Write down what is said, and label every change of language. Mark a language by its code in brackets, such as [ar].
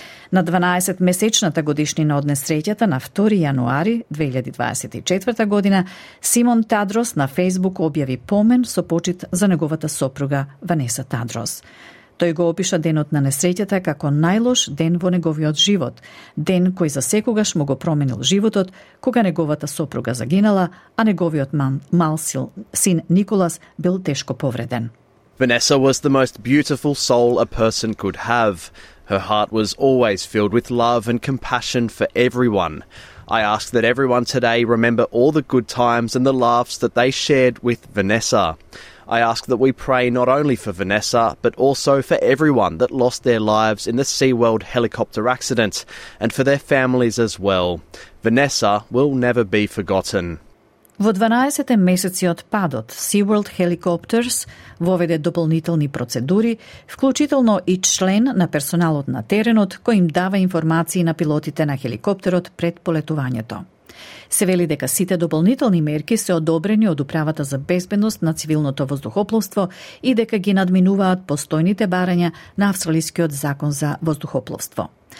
[mk] На 12-месечната годишнина од несреќата на 2 јануари 2024 година, Симон Тадрос на Фейсбук објави помен со почит за неговата сопруга Ванеса Тадрос. Тој го опиша денот на несреќата како најлош ден во неговиот живот, ден кој за секогаш му го променил животот, кога неговата сопруга загинала, а неговиот мал син Николас бил тешко повреден. [en] Vanessa was the most beautiful soul a person could have. Her heart was always filled with love and compassion for everyone. I ask that everyone today remember all the good times and the laughs that they shared with Vanessa. I ask that we pray not only for Vanessa, but also for everyone that lost their lives in the SeaWorld helicopter accident, and for their families as well. Vanessa will never be forgotten. [mk] Во 12 месеци од падот, SeaWorld Helicopters воведе дополнителни процедури, вклучително и член на персоналот на теренот кој им дава информации на пилотите на хеликоптерот пред полетувањето. Се вели дека сите дополнителни мерки се одобрени од Управата за безбедност на цивилното воздухопловство и дека ги надминуваат постојните барања на Австралискиот закон за воздухопловство.